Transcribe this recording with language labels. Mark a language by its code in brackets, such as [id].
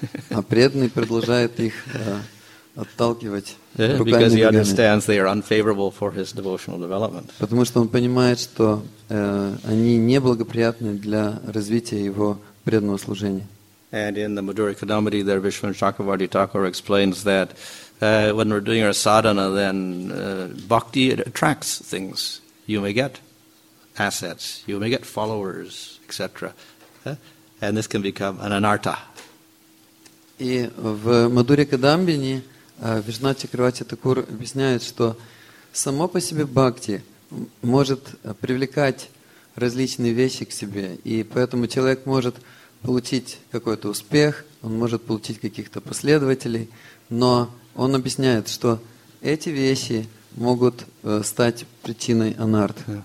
[ru] А преданный продолжает их отталкивать руками. [en] Because he understands they are unfavorable for his devotional development. [ru] Потому что он понимает, что они неблагоприятны для развития его преданного служения. [en] And in the Madhuri Kadambari, there Vishwan Chakravarti Thakur explains that when we're doing our sadhana, then bhakti attracts things. You may get assets, you may get followers, etc. And this can become an anartha. [ru] И в Мадхури Кадамбини Вишна Чакравати Такур объясняет, что само по себе бхакти может привлекать различные вещи к себе, и поэтому человек может получить какой-то успех, он может получить каких-то последователей, но он объясняет, что эти вещи могут стать причиной анарт.